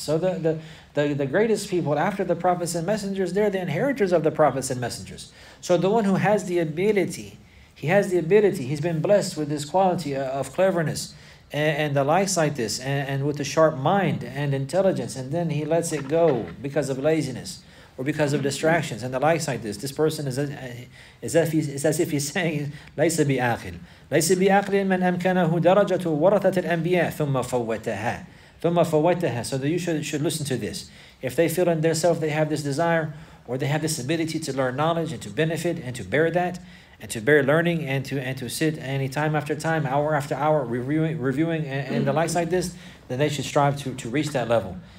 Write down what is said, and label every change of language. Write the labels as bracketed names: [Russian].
[English] So the greatest people after the prophets and messengers, they're the inheritors of the prophets and messengers. So the one who has the ability, he has the ability, he's been blessed with this quality of cleverness and the likes like this, and with a sharp mind and intelligence, and then he lets it go because of laziness or because of distractions and the likes like this. This person is as if he's saying, [Arabic] لَيْسَ بِعَقِلٍ لَيْسَ بِعَقْلٍ مَنْ أَمْكَنَهُ دَرَجَةُ وَرَثَةِ الْأَنْبِيَاءِ ثُمَّ فَوَّتَهَا. [English] So that you should listen to this. If they feel in their self they have this desire, or they have this ability to learn knowledge and to benefit and to bear that, and to bear learning, and to sit any time after time, hour after hour, reviewing and the likes like this, then they should strive to reach that level.